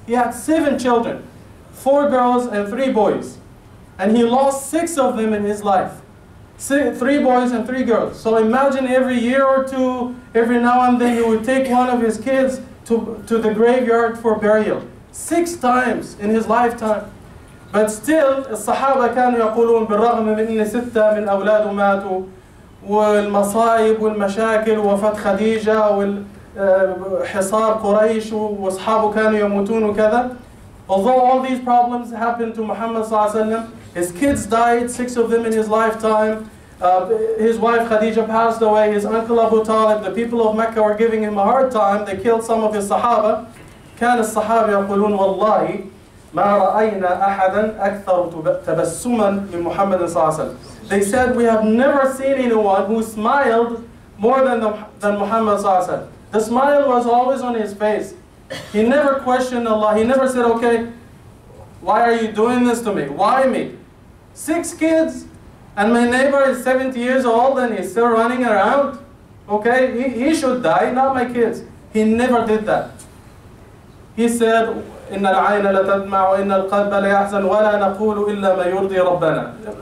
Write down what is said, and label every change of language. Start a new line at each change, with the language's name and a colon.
English: He had 7 children, 4 girls and 3 boys. And he lost 6 of them in his life, 3 boys and 3 girls. So imagine every year or two, every now and then, he would take one of his kids to the graveyard for burial, 6 times in his lifetime. But still,
Arabic: as-sahaba kanu yaqulun bil-raghm min inni 6 min awlad matu, والمصائب والمشاكل وفاة خديجة والحصار قريش واصحابه كانوا يموتون وكذا.
English: Although all these problems happened to Muhammad صلى الله عليه وسلم, his kids died, 6 of them in his lifetime. His wife Khadija passed away. His uncle Abu Talib, the people of Mecca were giving him a hard time. They killed some of his Sahaba.
Arabic: كان الصحابة يقولون والله ما رأينا أحدا أكثر تبسما من محمد صلى الله عليه وسلم.
English: They said, we have never seen anyone who smiled more than Muhammad صلى الله عليه وسلم. The smile was always on his face. He never questioned Allah. He never said, okay, why are you doing this to me? Why me? Six kids, and my neighbor is 70 years old and he's still running around. Okay, he should die, not my kids. He never did that. He said,
Arabic: إن العين لتدمع وإن القلب ليحزن ولا نقول إلا ما يرضي ربنا.